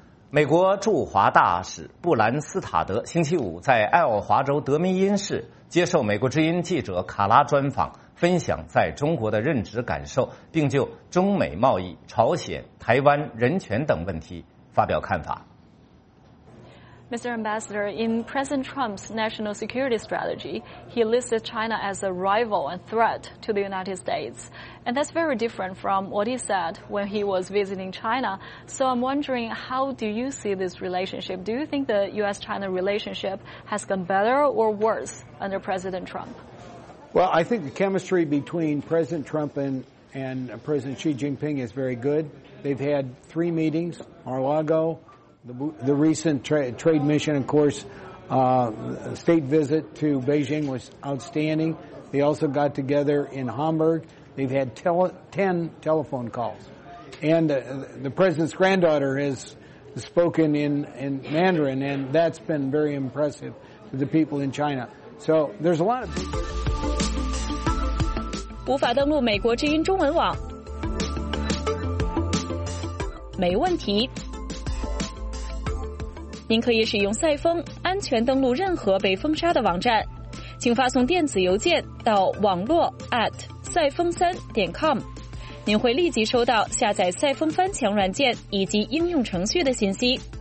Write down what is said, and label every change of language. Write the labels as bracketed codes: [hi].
[zh] 美国驻华大使布兰斯塔德星期五在爱奥华州德明因市接受美国之音记者卡拉专访，分享在中国的任职感受，并就中美贸易、朝鲜、台湾、人权等问题发表看法。 [en] Mr. Ambassador, in President Trump's national security strategy, he listed China as a rival and threat to the United States. And that's very different from what he said when he was visiting China. So I'm wondering, how do you see this relationship? Do you think the U.S.-China relationship has gone better or worse under President Trump? Well, I think the chemistry between President Trump and President Xi Jinping is very good. They've had three meetings, Mar-a-Lago,The recent trade mission, of course, state visit to Beijing was outstanding. They also got together in Hamburg. They've had 10 telephone calls. And the president's granddaughter has spoken in Mandarin, and that's been very impressive to the people in China. So there's a lot of... [zh] 无法登录美国之音中文网。没问题。您可以使用赛风安全登录任何被封杀的网站，请发送电子邮件到网络@赛风3.com，您会立即收到下载赛风翻墙软件以及应用程序的信息。